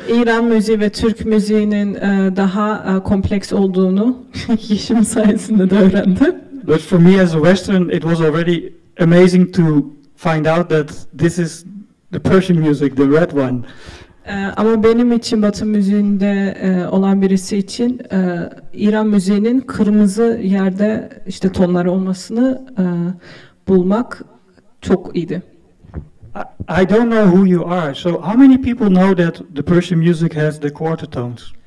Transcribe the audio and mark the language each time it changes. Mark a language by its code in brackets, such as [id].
[tr] İran müziği ve Türk müziğinin daha kompleks olduğunu Yeşim sayesinde de öğrendim. [en] But for me as a Western, it was already amazing to find out that this is the Persian music, the red one. [tr] Ama benim için Batı müziğinde olan birisi için İran müziğinin kırmızı yerde işte tonları olmasını bulmak çok iyiydi. [en] I don't know who you are. So how many people know that the Persian music has the quarter tones?